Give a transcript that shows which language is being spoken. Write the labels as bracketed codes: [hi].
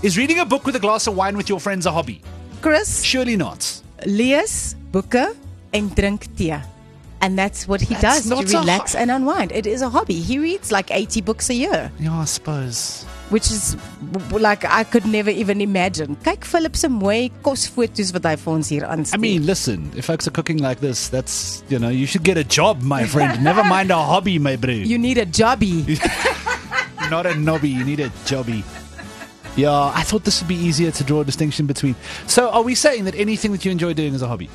[en] Is reading a book with a glass of wine with your friends a hobby? Chris. Surely not. [af] Lees boeke en drink tee. [en] And that's what he does to relax and unwind. It is a hobby. He reads like 80 books a year. Yeah, I suppose. Which is like I could never even imagine. [af] Kyk Philip se mooi kosfoto's wat hy vir ons hier aanstuur. [en] I mean, listen, if folks are cooking like this, that's, you know, you should get a job, my friend. Never mind a hobby, my bro. You need a jobby. Not a nobby, you need a jobby. Yeah, I thought this would be easier to draw a distinction between. So are we saying that anything that you enjoy doing is a hobby?